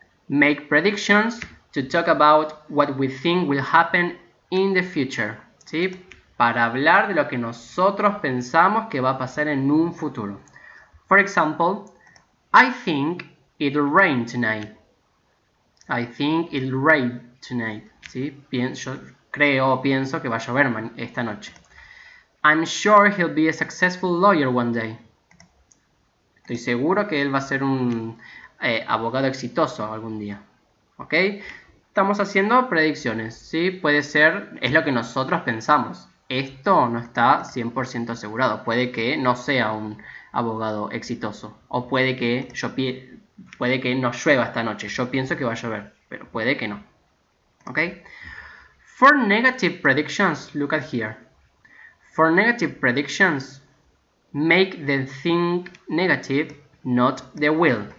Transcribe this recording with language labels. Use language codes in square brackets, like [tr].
[en] Make predictions to talk about what we think will happen in the future, ¿sí? [es] Para hablar de lo que nosotros pensamos que va a pasar en un futuro. [en] For example, I think it'll rain tonight. I think it'll rain tonight. [es] ¿Sí? Pienso que va a llover esta noche. [en] I'm sure he'll be a successful lawyer one day. [es] Estoy seguro que él va a ser un abogado exitoso algún día. ¿Ok? Estamos haciendo predicciones. ¿Sí? Puede ser, es lo que nosotros pensamos. Esto no está 100% asegurado. Puede que no sea un abogado exitoso. O puede que, puede que no llueva esta noche. Yo pienso que va a llover, pero puede que no. [en] ¿Ok? For negative predictions, look at here. For negative predictions, make the think negative, not the will.